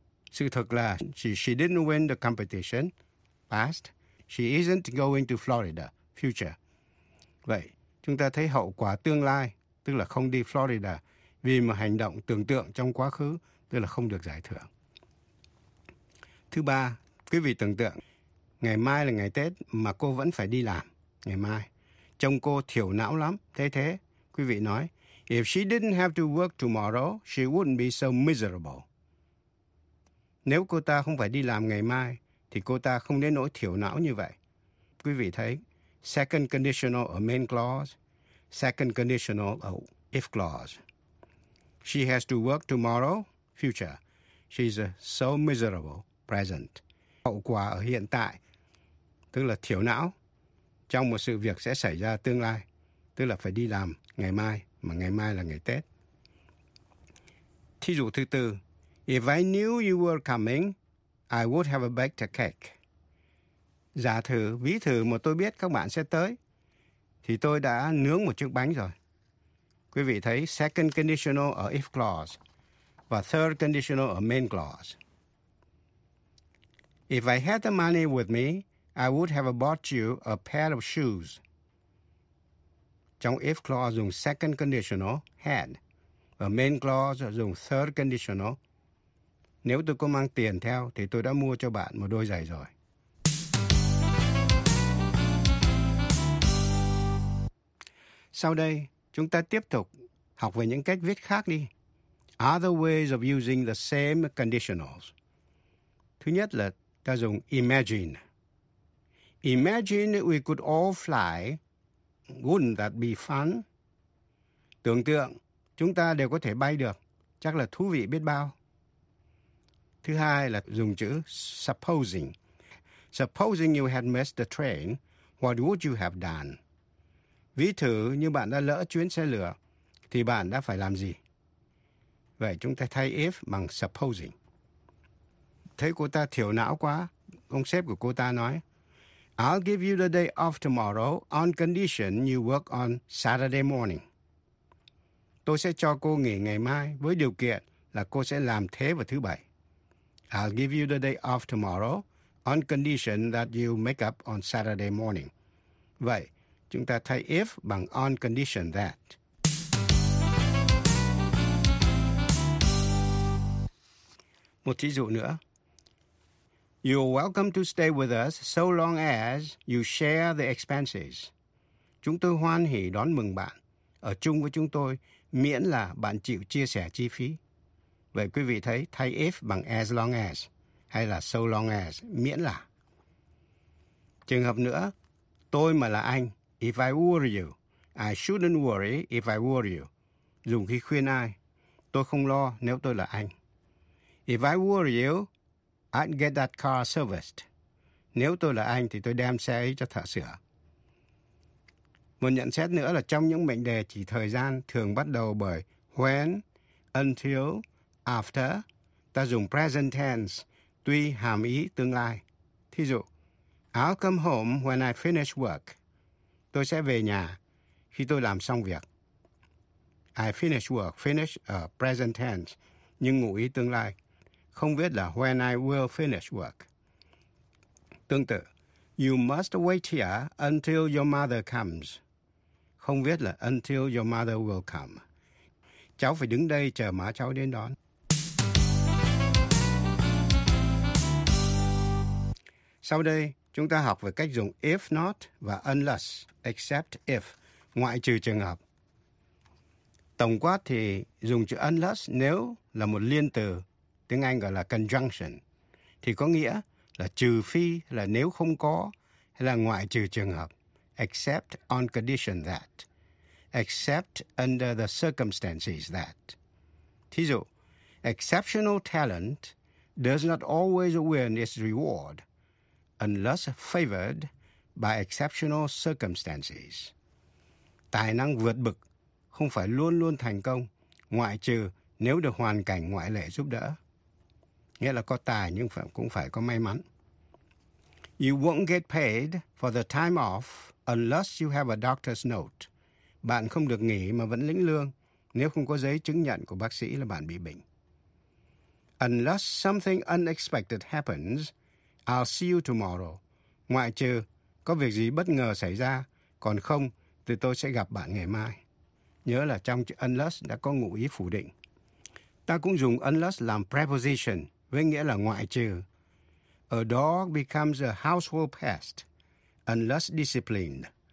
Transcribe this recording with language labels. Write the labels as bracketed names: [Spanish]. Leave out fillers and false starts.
[Vietnamese] Sự thật là [English] she didn't win the competition, past. She isn't going to Florida, future. [Vietnamese] Vậy, chúng ta thấy hậu quả tương lai, tức là không đi Florida, vì một hành động tưởng tượng trong quá khứ, tức là không được giải thưởng. Thứ ba, quý vị tưởng tượng, ngày mai là ngày Tết mà cô vẫn phải đi làm, ngày mai. Chồng cô thiểu não lắm, thế, quý vị nói, [English] if she didn't have to work tomorrow, she wouldn't be so miserable. [Vietnamese] Nếu cô ta không phải đi làm ngày mai, thì cô ta không đến nỗi thiểu não như vậy. Quý vị thấy, second conditional ở main clause, second conditional ở if clause. [English] She has to work tomorrow, future. She's so miserable, present. [Vietnamese] Hậu quả ở hiện tại, tức là thiểu não, trong một sự việc sẽ xảy ra tương lai, tức là phải đi làm ngày mai, mà ngày mai là ngày Tết. Thí dụ thứ tư, [English] if I knew you were coming, I would have baked a cake. [Vietnamese] Giả thử, ví thử mà tôi biết các bạn sẽ tới, thì tôi đã nướng một chiếc bánh rồi. Quý vị thấy second conditional ở if clause và third conditional ở main clause. [English] If I had the money with me, I would have bought you a pair of shoes. [Vietnamese] Trong if clause dùng second conditional, had. Và main clause dùng third conditional. Nếu tôi có mang tiền theo, thì tôi đã mua cho bạn một đôi giày rồi. Sau đây, chúng ta tiếp tục học về những cách viết khác đi. [English] Other ways of using the same conditionals. [Vietnamese] Thứ nhất là ta dùng [English] imagine. Imagine we could all fly. Wouldn't that be fun? [Vietnamese] Tưởng tượng, chúng ta đều có thể bay được. Chắc là thú vị biết bao. Thứ hai là dùng chữ supposing. [English] Supposing you had missed the train, what would you have done? [Vietnamese] Ví thử như bạn đã lỡ chuyến xe lửa, thì bạn đã phải làm gì? Vậy chúng ta thay if bằng supposing. Thấy cô ta thiểu não quá, ông sếp của cô ta nói, [English] I'll give you the day off tomorrow on condition you work on Saturday morning. [Vietnamese] Tôi sẽ cho cô nghỉ ngày mai với điều kiện là cô sẽ làm thế vào thứ bảy. [English] I'll give you the day off tomorrow on condition that you make up on Saturday morning. [Vietnamese] Vậy, chúng ta thay if bằng on condition that. Một thí dụ nữa. [English] You're welcome to stay with us so long as you share the expenses. [Vietnamese] Chúng tôi hoan hỷ đón mừng bạn ở chung với chúng tôi miễn là bạn chịu chia sẻ chi phí. Vậy quý vị thấy thay if bằng as long as hay là so long as miễn là. Trường hợp nữa, tôi mà là anh, [English] if I were you, I shouldn't worry if I were you. [Vietnamese] Dùng khi khuyên ai, tôi không lo nếu tôi là anh. [English] If I were you, I'd get that car serviced. [Vietnamese] Nếu tôi là anh thì tôi đem xe ấy cho thợ sửa. Một nhận xét nữa là trong những mệnh đề chỉ thời gian thường bắt đầu bởi when, until, after, ta dùng present tense, tuy hàm ý tương lai. Thí dụ, [English] I'll come home when I finish work. [Vietnamese] Tôi sẽ về nhà khi tôi làm xong việc. [English] I finish work, [Vietnamese] finish ở present tense, nhưng ngụ ý tương lai. Không viết là [English] when I will finish work. [Vietnamese] Tương tự, [English] you must wait here until your mother comes. [Vietnamese] Không viết là [English] until your mother will come. [Vietnamese] Cháu phải đứng đây chờ má cháu đến đón. Sau đây, chúng ta học về cách dùng if not và unless, except if, ngoại trừ trường hợp. Tổng quát thì dùng chữ unless nếu là một liên từ, tiếng Anh gọi là conjunction, thì có nghĩa là trừ phi là nếu không có hay là ngoại trừ trường hợp, [English] except on condition that, except under the circumstances that. [Vietnamese] Thí dụ, [English] exceptional talent does not always win its reward unless favored by exceptional circumstances. [Vietnamese] Tài năng vượt bậc không phải luôn luôn thành công ngoại trừ nếu được hoàn cảnh ngoại lệ giúp đỡ. Nghĩa là có tài nhưng cũng phải có may mắn. [English] You won't get paid for the time off unless you have a doctor's note. [Vietnamese] Bạn không được nghỉ mà vẫn lĩnh lương nếu không có giấy chứng nhận của bác sĩ là bạn bị bệnh. [English] Unless something unexpected happens, I'll see you tomorrow. [Vietnamese] Ngoại trừ có việc gì bất ngờ xảy ra, còn không thì tôi sẽ gặp bạn ngày mai. Nhớ là trong chữ unless đã có ngụ ý phủ định. Ta cũng dùng unless làm preposition với nghĩa là ngoại trừ. [English] A dog becomes a household pest unless disciplined.